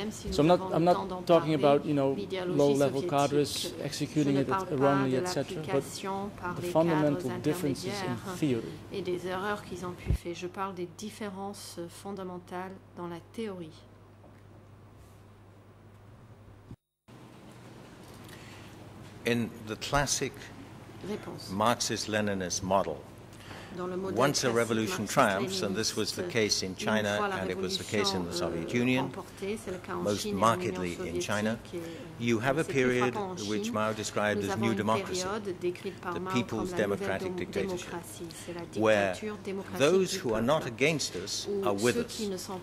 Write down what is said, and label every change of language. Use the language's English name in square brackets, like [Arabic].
[English] So I'm not talking about, you know, low-level cadres executing it wrongly, etc., but the fundamental differences in theory. [French] Et des erreurs qu'ils ont pu faire. Je parle des différences fondamentales dans la théorie. [English] In the classic Marxist-Leninist model, once a revolution triumphs, and this was the case in China and it was the case in the Soviet Union, most markedly in China, you have a period which Mao described as new democracy, the people's democratic dictatorship, where those who are not against us are with us.